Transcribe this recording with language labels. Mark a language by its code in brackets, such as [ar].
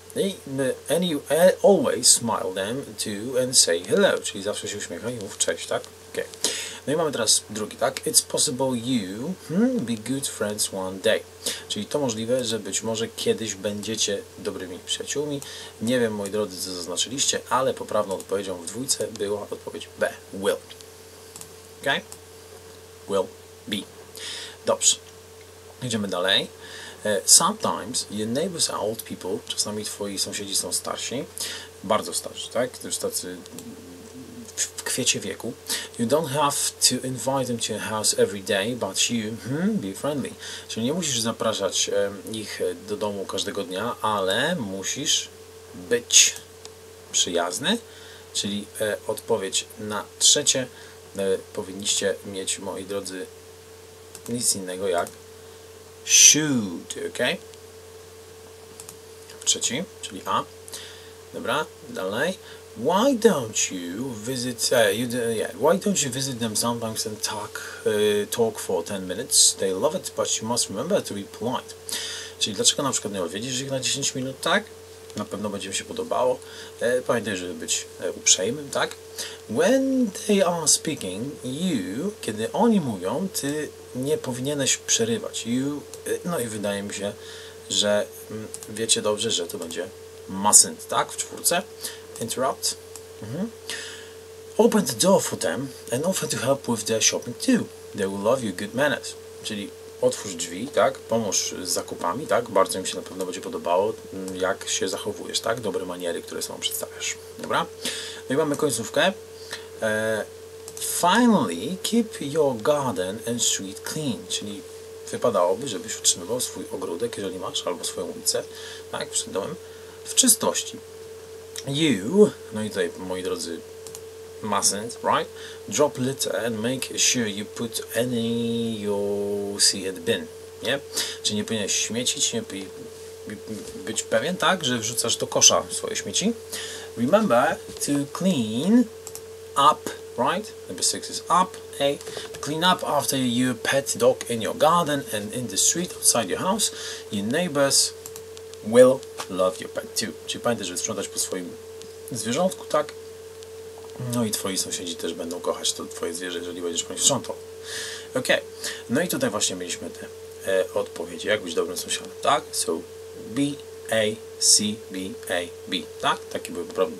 [en] And you always smile them to and say hello, [pl] czyli zawsze się uśmiechaj i mów cześć, tak, ok. No i mamy teraz drugi, tak? [en] It's possible you be good friends one day. [pl] Czyli to możliwe, że być może kiedyś będziecie dobrymi przyjaciółmi. Nie wiem, moi drodzy, co zaznaczyliście, ale poprawną odpowiedzią w dwójce była odpowiedź B. Will. Ok? Will be. Dobrze. Idziemy dalej. [en] Sometimes your neighbors are old people. [pl] Czasami twoi sąsiedzi są starsi. Bardzo starsi, tak? To już tacy w kwiecie wieku. [en] You don't have to invite them to your house every day, but you be friendly. [pl] Czyli nie musisz zapraszać ich do domu każdego dnia, ale musisz być przyjazny. Czyli odpowiedź na trzecie powinniście mieć, moi drodzy, nic innego jak should, ok? Trzeci, czyli A. Dobra, dalej. [en] Why don't you visit? Why don't you visit them sometimes and talk for 10 minutes? They love it, but you must remember to be polite. [pl] Czyli dlaczego na przykład nie odwiedzisz ich na 10 minut, tak? Na pewno będzie mi się podobało. Pamiętaj, żeby być uprzejmym, tak? [en] When they are speaking, you, [pl] kiedy oni mówią, ty nie powinieneś przerywać. You, no i wydaje mi się, że wiecie dobrze, że to będzie mustn't, tak? W czwórce. Interrupt. [en] Open the door for them and offer to help with their shopping too. They will love your good manners. [pl] Czyli otwórz drzwi, tak? Pomóż z zakupami, tak? Bardzo im się na pewno będzie podobało, jak się zachowujesz, tak? Dobre maniery, które sobie przedstawiasz. Dobra? No i mamy końcówkę. [en] Finally, keep your garden and street clean. [pl] Czyli wypadałoby, żebyś utrzymywał swój ogródek, jeżeli masz, albo swoją ulicę, tak? Przed domem, w czystości. You, no i tutaj, moi drodzy, mustn't, right? [en] Drop litter and make sure you put any you see at bin, nie? [pl] Czyli nie powinieneś śmiecić, nie być pewien, tak, że wrzucasz do kosza swoje śmieci. [en] Remember to clean up, right? Number 6 is up, A. Clean up after your pet dog in your garden and in the street outside your house, your neighbors will love your pet too. [pl] Czyli pamiętaj, żeby sprzątać po swoim zwierzątku, tak? No i twoi sąsiedzi też będą kochać to twoje zwierzę, jeżeli będziesz po nim sprzątał. Ok. No i tutaj właśnie mieliśmy te odpowiedzi. Jak być dobrym sąsiadem, tak? So, B, A, C, B, A, B. Tak? Taki byłby problem.